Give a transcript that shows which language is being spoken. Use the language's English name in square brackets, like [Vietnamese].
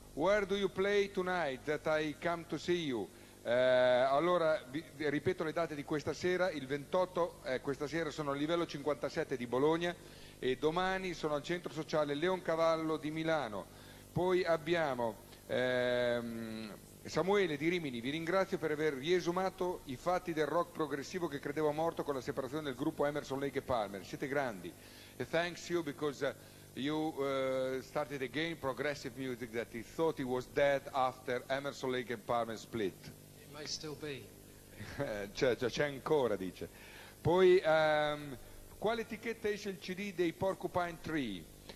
[English] Where do you play tonight that I come to see you? [Italian] Allora, ripeto le date di questa sera. Il 28, questa sera sono al livello 57 di Bologna e domani sono al centro sociale Leoncavallo di Milano. Poi abbiamo... Samuele di Rimini, vi ringrazio per aver riesumato i fatti del rock progressivo che credevo morto con la separazione del gruppo Emerson, Lake & Palmer. Siete grandi. [English] Thanks you because you started again progressive music that he thought he was dead after Emerson, Lake & Palmer split. It may still be. [Italian] c'è ancora, dice. Poi quale etichetta esce il CD dei Porcupine Tree?